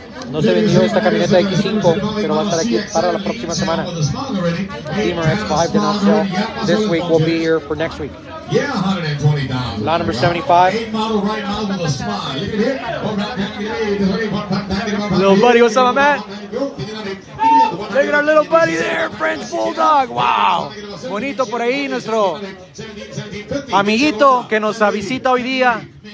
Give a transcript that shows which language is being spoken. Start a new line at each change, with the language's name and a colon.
Spanish: No se vendió esta camioneta de X5, pero va a estar aquí para la próxima semana.
English: Beamer X5 did not sell. This week will be here for next week. Lot number 75. Little buddy, what's up, my man? Look at our little buddy there, French Bulldog. Wow.
Spanish: Bonito por ahí, nuestro amiguito que nos visita hoy día.